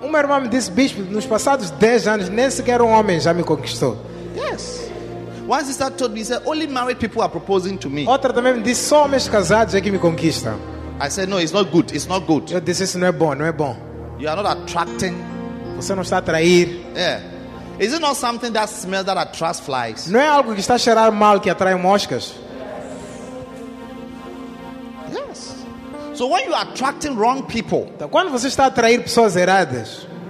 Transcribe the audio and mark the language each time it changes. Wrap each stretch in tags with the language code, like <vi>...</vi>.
<pt>Uma irmã me disse, bispo, nos passados 10 anos nem sequer homem já me conquistou.</pt> <en>Yes. One sister told me, "Said only married people are proposing to me."</en> <pt>Outra também me disse, só homens casados é que me conquistam.</pt> <en>I said, "No, it's not good. It's not good."</en> <pt>Eu disse, isso não é bom, não é bom.</pt> <en>You are not attracting.</en> <pt>Você não está atrair.</pt> <en>Yeah. Is it not something that smells that attracts flies?</en> <pt>Não é algo que está a cheirar mal que atrai moscas?</pt> <en>Yes. So when you are attracting wrong people,</en> <pt>então, quando você está a atrair pessoas erradas,</pt>